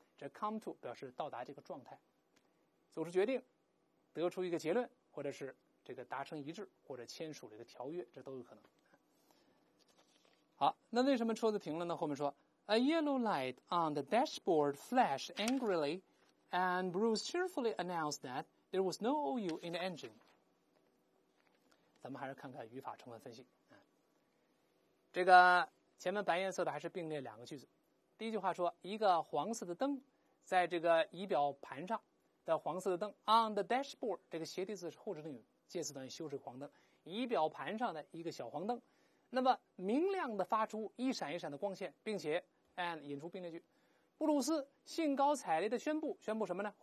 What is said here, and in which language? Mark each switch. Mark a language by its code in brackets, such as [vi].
[zh] 这 come to 表示到达这个状态，做出决定，得出一个结论，或者是这个达成一致，或者签署这个条约，这都有可能。好，那为什么车子停了呢？ [en] 后面说 A yellow light on the dashboard flashed angrily and Bruce cheerfully announced that There was no oil in the engine. [zh] 咱们还是看看语法成分分析。这个前面白颜色的还是并列两个句子。第一句话说，一个黄色的灯在这个仪表盘上的黄色的灯 on the dashboard，这个斜体字是后置定语，介词短语修饰黄灯，仪表盘上的一个小黄灯，那么明亮的发出一闪一闪的光线，并且 and 引出并列句，布鲁斯兴高采烈的宣布，宣布什么呢？